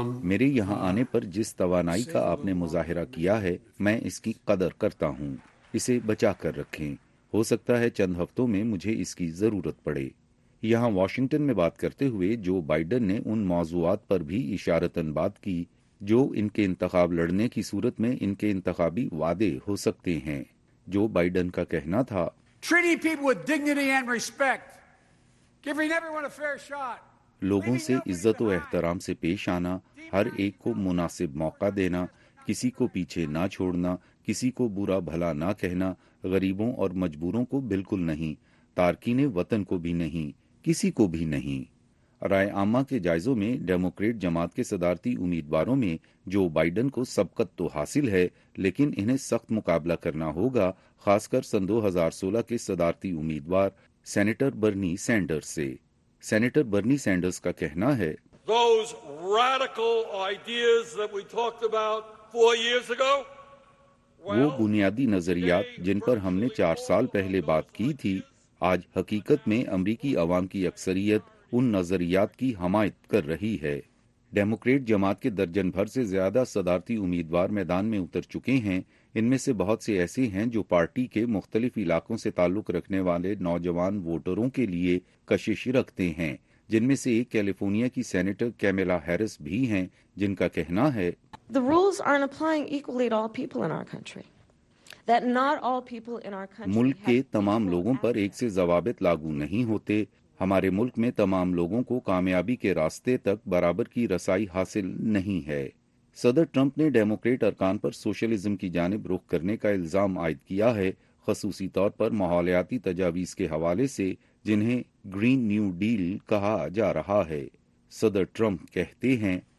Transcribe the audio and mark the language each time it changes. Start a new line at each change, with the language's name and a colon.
Urdu: میرے یہاں آنے پر جس توانائی کا آپ نے مظاہرہ کیا ہے میں اس کی قدر کرتا ہوں، اسے بچا کر رکھیں، ہو سکتا ہے چند ہفتوں میں مجھے اس کی ضرورت پڑے۔ یہاں واشنگٹن میں بات کرتے ہوئے جو بائیڈن نے ان موضوعات پر بھی اشارتاً بات کی جو ان کے انتخاب لڑنے کی صورت میں ان کے انتخابی وعدے ہو سکتے ہیں۔ جو بائیڈن کا کہنا تھا،
English: Treating people with dignity and respect, giving everyone a fair shot,
Urdu: لوگوں سے عزت و احترام سے پیش آنا، ہر ایک کو مناسب موقع دینا، کسی کو پیچھے نہ چھوڑنا، کسی کو برا بھلا نہ کہنا، غریبوں اور مجبوروں کو بالکل نہیں، تارکین وطن کو بھی نہیں، کسی کو بھی نہیں۔ رائے عامہ کے جائزوں میں ڈیموکریٹ جماعت کے صدارتی امیدواروں میں جو بائیڈن کو سبقت تو حاصل ہے لیکن انہیں سخت مقابلہ کرنا ہوگا، خاص کر سن 2016 کے صدارتی امیدوار سینیٹر برنی سینڈرز سے۔ سینیٹر برنی سینڈرز کا کہنا ہے،
English: Those radical ideas that we talked about 4 years ago,
Urdu: وہ بنیادی نظریات جن پر ہم نے 4 سال پہلے بات کی تھی، آج حقیقت میں امریکی عوام کی اکثریت ان نظریات کی حمایت کر رہی ہے۔ ڈیموکریٹ جماعت کے درجن بھر سے زیادہ صدارتی امیدوار میدان میں اتر چکے ہیں، ان میں سے بہت سے ایسے ہیں جو پارٹی کے مختلف علاقوں سے تعلق رکھنے والے نوجوان ووٹروں کے لیے کشش رکھتے ہیں، جن میں سے ایک کیلیفورنیا کی سینیٹر کیملا ہیرس بھی ہیں، جن کا کہنا ہے،
English: The rules aren't applying equally to all people in our country. That not all people in our country
Urdu: ملک کے تمام لوگوں پر ایک سے ضوابط لاگو نہیں ہوتے، ہمارے ملک میں تمام لوگوں کو کامیابی کے راستے تک برابر کی رسائی حاصل نہیں ہے۔ صدر ٹرمپ نے ڈیموکریٹ ارکان پر سوشلزم کی جانب رخ کرنے کا الزام عائد کیا ہے، خصوصی طور پر ماحولیاتی تجاویز کے حوالے سے جنہیں گرین نیو ڈیل کہا جا رہا ہے۔ صدر ٹرمپ کہتے ہیں،